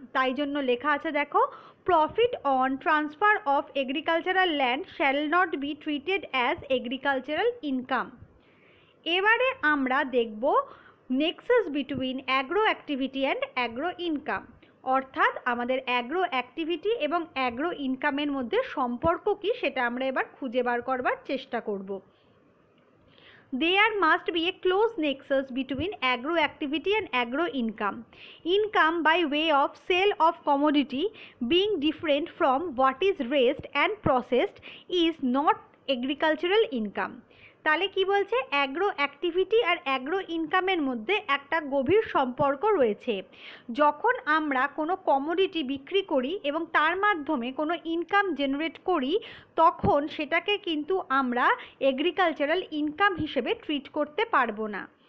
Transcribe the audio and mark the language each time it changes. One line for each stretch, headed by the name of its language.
Bangla: তাই জন্য লেখা আছে, দেখো,
English: Profit on transfer of agricultural land shall not be treated as agricultural income.
Bangla: এবারে আমরা দেখব
English: nexus between agro activity and agro income,
Bangla: অর্থাৎ আমাদের অ্যাগ্রো অ্যাক্টিভিটি এবং অ্যাগ্রো ইনকামের মধ্যে সম্পর্ক কি সেটা আমরা এবার খুঁজে বার করবার চেষ্টা করব।
English: There must be a close nexus between agro-activity and agro-income. Income by way of sale of commodity being different from what is raised and processed is not agricultural income.
Bangla: তাহলে কি বলছে, অ্যাগ্রো অ্যাক্টিভিটি আর agro ইনকামের মধ্যে একটা গভীর সম্পর্ক রয়েছে। যখন আমরা কোনো কমোডিটি বিক্রি করি এবং তার মাধ্যমে কোনো ইনকাম জেনারেট করি তখন সেটাকে কিন্তু আমরা এগ্রিকালচারাল ইনকাম হিসেবে ট্রিট করতে পারবো না।